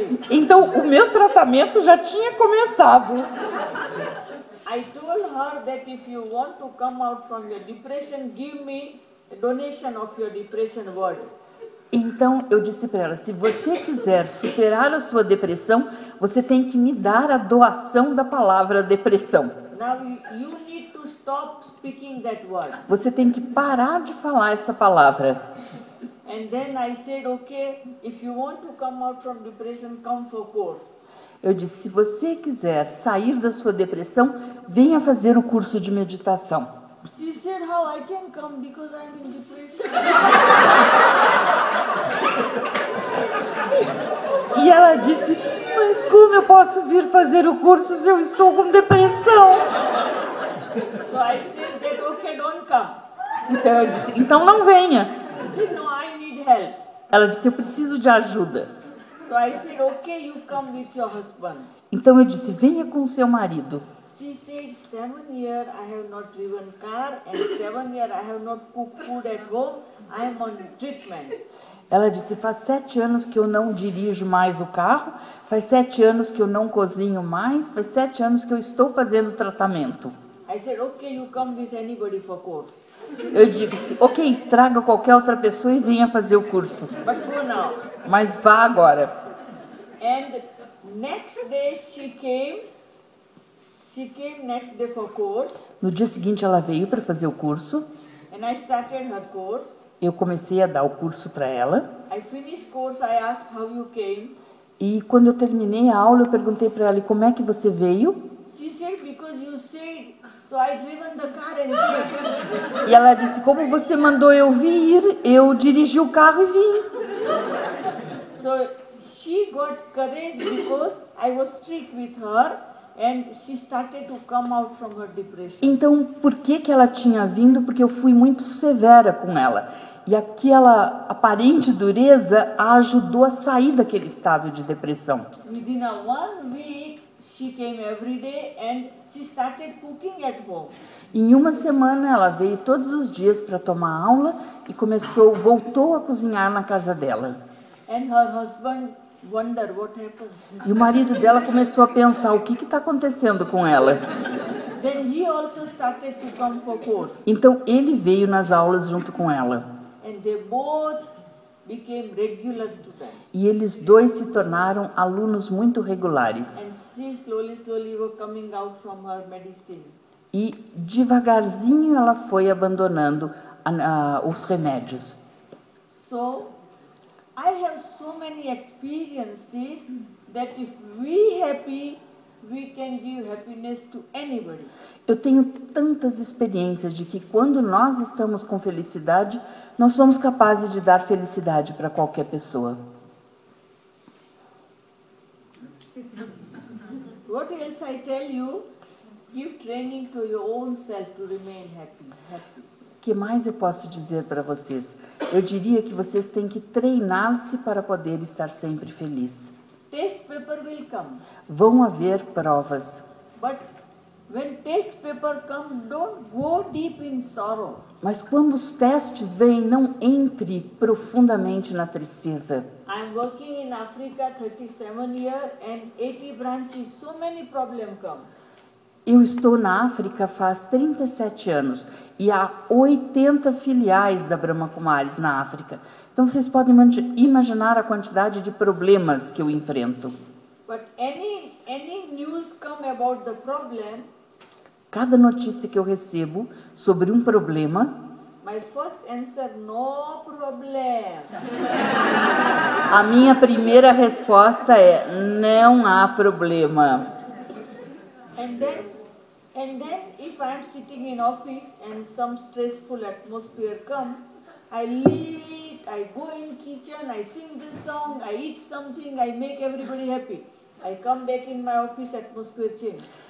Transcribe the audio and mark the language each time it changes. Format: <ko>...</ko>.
<pt>Então, o meu tratamento já tinha começado.</pt> <en>I told her that if you want to come out from your depression, give me a donation of your depression body.</en> <pt>Então, eu disse para ela, se você quiser superar a sua depressão, você tem que me dar a doação da palavra depressão.</pt> <en>Now you need to stop speaking that word.</en> <pt>Você tem que parar de falar essa palavra.</pt> <en>And then I said, okay, if you want to come out from depression, come for course.</en> <pt>Eu disse, se você quiser sair da sua depressão, venha fazer o curso de meditação.</pt> <en>She said, how I can come because I'm in depression.</en> <pt>E ela disse, posso vir fazer o curso se eu estou com depressão. Só esse dedo que não come. Então, eu disse, então não venha.</pt> <en>No, I need help.</en> <pt>Ela disse, eu preciso de ajuda.</pt> <en>So I said, okay, you come with your husband.</en> <pt>Então eu disse, venha com seu marido.</pt> <en>She said, 7 years I have not driven car and 7 years I have not cooked food at home. I am on treatment.</en> <pt>Ela disse, faz 7 anos que eu não dirijo mais o carro, faz 7 anos que eu não cozinho mais, faz 7 anos que eu estou fazendo tratamento.</pt> <en>I said, okay, you come with anybody for course.</en> <pt>Eu disse, ok, traga qualquer outra pessoa e venha fazer o curso.</pt> <en>But go now.</en> <pt>Mas vá agora.</pt> <en>And next day she came. She came next day for course.</en> <pt>No dia seguinte ela veio para fazer o curso.</pt> <en>And I started her course.</en> <pt>Eu comecei a dar o curso para ela.</pt> <en>I finished course, I asked how you came.</en> <pt>E quando eu terminei a aula, eu perguntei para ela, como é que você veio?</pt> <en>She said, because you said... So I driven the car and came.</en> <pt>E ela disse, como você mandou eu vir, eu dirigi o carro e vim.</pt> <en>So she got courage because I was strict with her and she started to come out from her depression.</en> <pt>Então, por que que ela tinha vindo? Porque eu fui muito severa com ela. E aquela aparente dureza a ajudou a sair daquele estado de depressão.</pt> <en>Within a 1 week, she came every day and she started cooking at home.</en> <pt>Em uma semana ela veio todos os dias para tomar aula e voltou a cozinhar na casa dela.</pt> <en>And her husband wondered what happened.</en> <pt>E o marido dela começou a pensar o que que tá acontecendo com ela.</pt> <en>Then he also started to come for course.</en> <pt>Então ele veio nas aulas junto com ela.</pt> <en>And they both became regular students.</en> <pt>E eles dois se tornaram alunos muito regulares.</pt> <en>And she slowly, slowly were coming out from her medicine.</en> <pt>E devagarzinho ela foi abandonando os remédios.</pt> <en>So, I have so many experiences that if we happy, we can give happiness to anybody.</en> <pt>Eu tenho tantas experiências de que quando nós estamos com felicidade, nós somos capazes de dar felicidade para qualquer pessoa.</pt> <en>What else I tell you? Give training to your own self to remain happy.</en> <pt>O que mais eu posso dizer para vocês? Eu diria que vocês têm que treinar-se para poder estar sempre feliz.</pt> <en>Test paper will come.</en> <pt>Vão haver provas.</pt> <en>But when test paper come, don't go deep in sorrow.</en> <pt>Mas quando os testes vêm, não entre profundamente na tristeza.</pt> <en>I'm working in Africa 37 years and 80 branches, so many problems come.</en> <pt>Eu estou na África faz 37 anos e há 80 filiais da Brahma Kumaris na África. Então vocês podem imaginar a quantidade de problemas que eu enfrento.</pt> <en>But any news come about the problem?</en> <pt>Cada notícia que eu recebo sobre um problema.</pt> <en>My first answer, no problem.</en> <pt>A minha primeira resposta é não há problema.</pt> <en>And then if I'm sitting in office and some stressful atmosphere come, I leave it, I go in kitchen, I sing this song, I eat something, I make everybody happy. I come back in my office, atmosphere change.</en>